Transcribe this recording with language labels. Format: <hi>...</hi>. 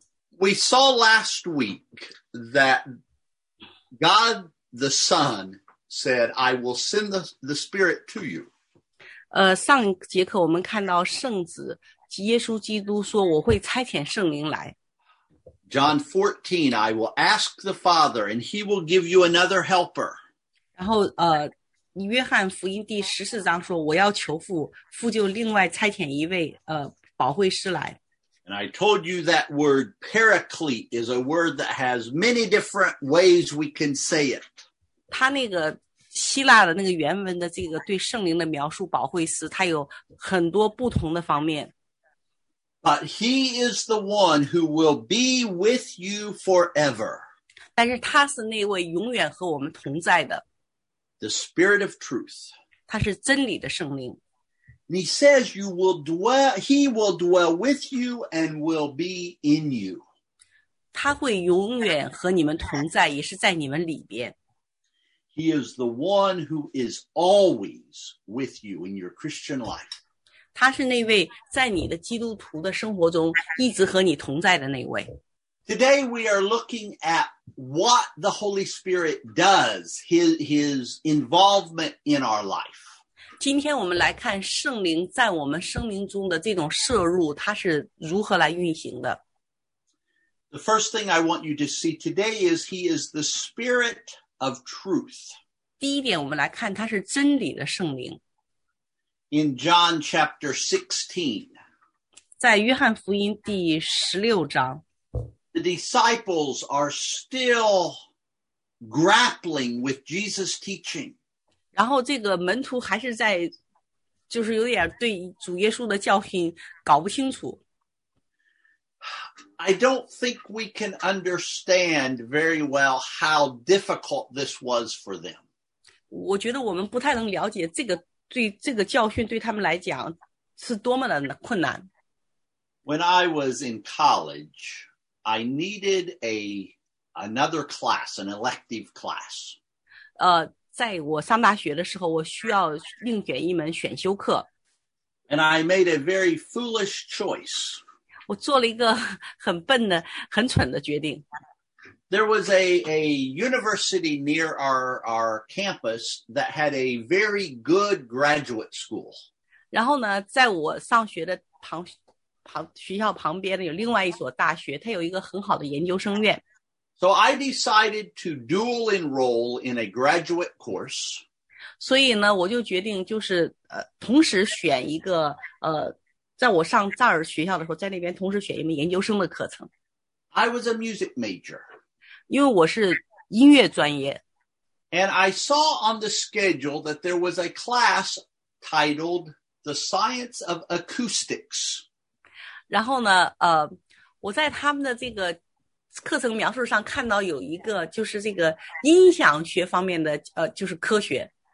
<en>We saw last week that God the Son said, I will send the Spirit to you.</en> <zh>上节课我们看到圣子耶稣基督说，我会差遣圣灵来。</zh> <en>John 14, I will ask the Father, and he will give you another helper.</en> <zh>然后约翰福音第十四章说，我要求父，父就另外差遣一位保惠师来。</zh> <en>And I told you that word paraclete is a word that has many different ways we can say it.</en> <zh>他那个希腊的那个原文的这个对圣灵的描述，保惠师，他有很多不同的方面。</zh> <en>But he is the one who will be with you forever.</en> <zh>但是他是那位永远和我们同在的。</zh> <en>The Spirit of Truth.</en> <zh>他是真理的圣灵。</zh> <en>He says you will dwell, he will dwell with you and will be in you.</en> <zh>他会永远和你们同在，也是在你们里边。</zh> <en>He is the one who is always with you in your Christian life.</en> <zh>他是那位在你的基督徒的生活中一直和你同在的那位。</zh> <en>Today we are looking at what the Holy Spirit does, his involvement in our life.</en> <zh>今天我们来看圣灵在我们生命中的这种摄入，它是如何来运行的。</zh> <en>The first thing I want you to see today is he is the Spirit of Truth.</en> <zh>第一点我们来看，它是真理的圣灵。</zh> <en>In John chapter 16.</en> <zh>在约翰福音第十六章。</zh> <en>The disciples are still grappling with Jesus' teaching.</en> <zh>然后这个门徒还是在，就是有点对主耶稣的教训搞不清楚。</zh> <en>I don't think we can understand very well how difficult this was for them.</en> <zh>我觉得我们不太能了解这个对这个教训对他们来讲是多么的困难。</zh> <en>When I was in college,I needed another class, an elective class.</en> <zh>在我上大学的时候，我需要另选一门选修课。</zh> <en>And I made a very foolish choice.</en> <zh>我做了一个很笨的、很蠢的决定。</zh> <en>There was a university near our campus that had a very good graduate school.</en> <zh>然后呢，在我上学的学校旁边有另外一所大学，它有一个很好的研究生院。</zh> <en>So I decided to dual enroll in a graduate course.</en> <zh>所以呢，我就决定就是同时选一个在我上这儿学校的时候，在那边同时选一门研究生的课程。</zh> <en>I was a music major.</en> <zh>因为我是音乐专业。</zh> <en>And I saw on the schedule that there was a class titled The Science of Acoustics.</en> <zh>然后呢，我在他们的这个课程描述上看到有一个就是这个音响学方面的就是科学。</zh>